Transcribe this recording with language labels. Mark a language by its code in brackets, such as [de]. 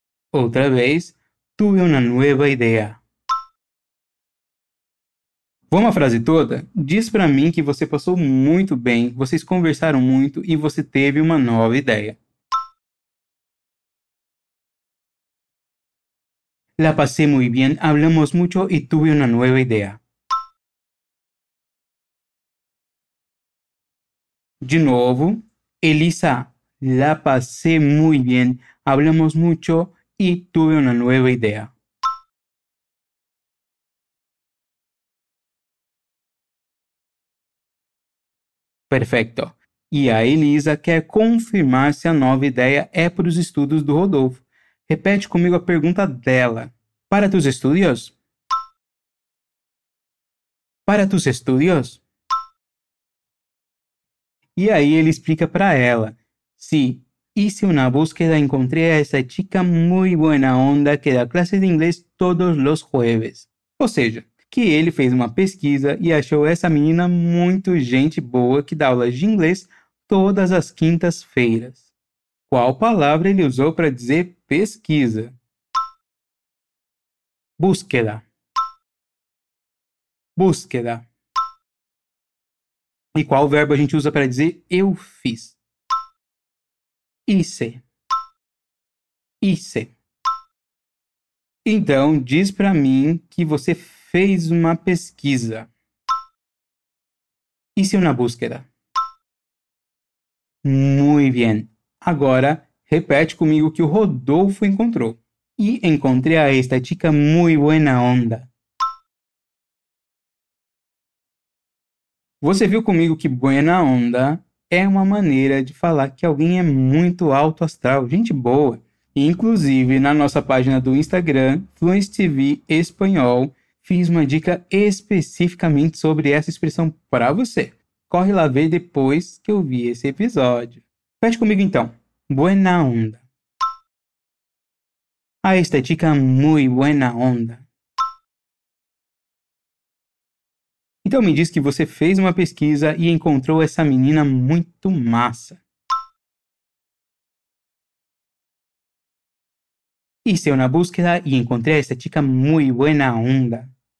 [pt] Outra vez, [es] tuve una nueva idea. [pt] Vamos à frase toda? Diz para mim que você passou muito bem, vocês conversaram muito e você teve uma nova ideia. [es] La pasé muy bien, hablamos mucho y tuve una nueva idea. De novo, Elisa, la pasé muy bien, hablamos mucho y tuve una nueva idea. Perfecto. [pt] Y a Elisa quer confirmar si a nova idea é para os estudos do Rodolfo. Repete comigo a pergunta dela. [es] Para tus estudios? Para tus estudios? [pt] E aí ele explica para ela. Sim. [es] Hice una búsqueda y encontré a esa chica muy buena onda que da clases de inglés todos los jueves. [pt] Ou seja, que ele fez uma pesquisa e achou essa menina muito gente boa que dá aulas de inglês todas as quintas-feiras. Qual palavra ele usou para dizer pesquisa? [es] Búsqueda. Búsqueda. [pt] E qual verbo a gente usa para dizer eu fiz? Hice. Hice. Então, diz para mim que você fez uma pesquisa. [es] Hice una búsqueda. Muy bien. [pt] Agora, repete comigo o que o Rodolfo encontrou. [es] Y encontré a esta chica muy buena onda. [pt] Você viu comigo que buena onda é uma maneira de falar que alguém é muito alto astral, gente boa. Inclusive, na nossa página do Instagram, FluenceTV Espanhol, fiz uma dica especificamente sobre essa expressão para você. Corre lá ver depois que eu vi esse episódio. Fecha comigo então. [es] Buena onda. A esta chica muy buena onda. [pt] Então me diz que você fez uma pesquisa e encontrou essa menina muito massa. [es] Hice una búsqueda y encontré a esta chica muy buena onda.